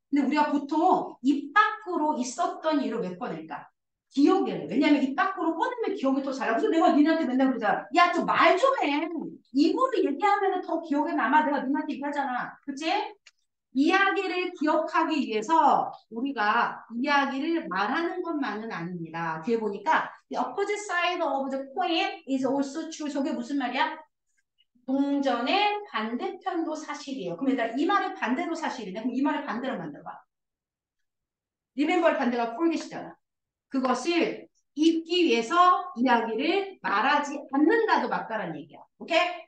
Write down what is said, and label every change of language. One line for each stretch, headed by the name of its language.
Korean: 근데 우리가 보통 입 밖으로 있었던 일을 왜 꺼낼까? 기억에는. 왜냐면 입 밖으로 꺼내면 기억이 더 잘. 그래서 내가 니한테 맨날 그러잖아. 야, 좀말좀 해. 입으로 얘기하면 더 기억에 남아. 내가 니한테 얘기하잖아. 그치? 이야기를 기억하기 위해서 우리가 이야기를 말하는 것만은 아닙니다. 뒤에 보니까
English: The opposite side of the coin is also true.
Korean: 저게 무슨 말이야? 동전의 반대편도 사실이에요. 그럼 일단 이 말의 반대로 사실이네. 그럼 이 말의 반대로 만들어봐. Remember 반대가 forget이잖아. 그것을 잊기 위해서 이야기를 말하지 않는다도 맞다라는 얘기야. 오케이?